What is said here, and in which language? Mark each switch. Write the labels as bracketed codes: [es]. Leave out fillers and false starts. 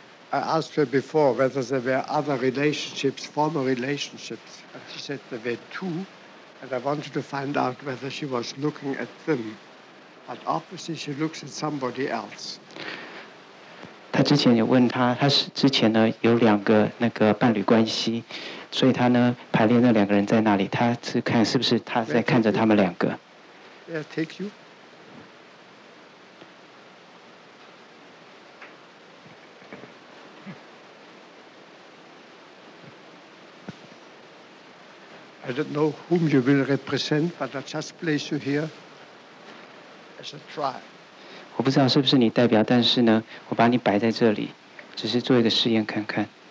[en] I asked her before whether there were other relationships, former relationships, and she said there were two, and I wanted to find out whether she was looking at them, but obviously she looks at somebody else. [zh] 她之前有问她，她之前呢有两个那个伴侣关系。所以他呢排列那两个人在那里，他是看是不是他在看着他们两个。 [en] Yeah, take you. I don't know whom you will represent, but I just place you here as a trial. [zh] 我不知道是不是你代表，但是呢，我把你摆在这里，只是做一个试验看看。